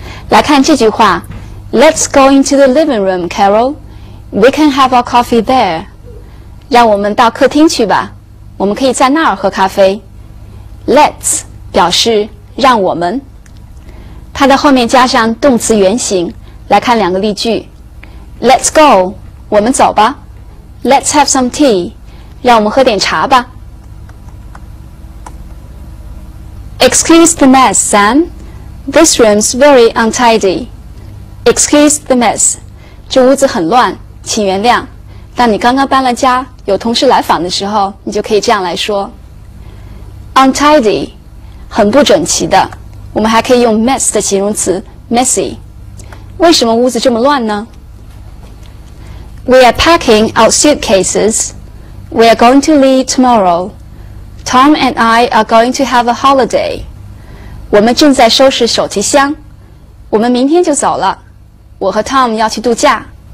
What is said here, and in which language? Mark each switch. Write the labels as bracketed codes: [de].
[zh] 来看这句话， [en] Let's go into the living room, Carol. We can have our coffee there. [zh] 让我们到客厅去吧，我们可以在那儿喝咖啡。 Let's 表示让我们，它的后面加上动词原形。来看两个例句， [en] Let's go， [zh] 我们走吧。 [en] Let's have some tea， [zh] 让我们喝点茶吧。 [en] Excuse the mess, Sam. This room's very untidy. Excuse the mess， [zh] 这屋子很乱，请原谅。当你刚刚搬了家，有同事来访的时候，你就可以这样来说。 Untidy， 很不整齐的。我们还可以用 mess 的形容词 messy。为什么屋子这么乱呢？ [en] We are packing our suitcases. We are going to leave tomorrow. Tom and I are going to have a holiday. [zh] 我们正在收拾手提箱，我们明天就走了，我和 Tom 要去度假。